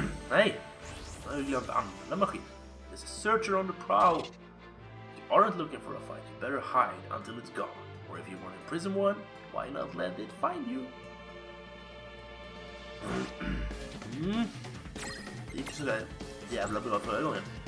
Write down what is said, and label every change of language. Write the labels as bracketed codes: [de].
[sv] Nej, då har jag glömt att använda maskin. [en] There's a searcher on the prowl. You aren't looking for a fight, you better hide until it's gone. Or if you want to imprison one, why not let it find you? [sv] Det gick sådär jävla bra förra gången.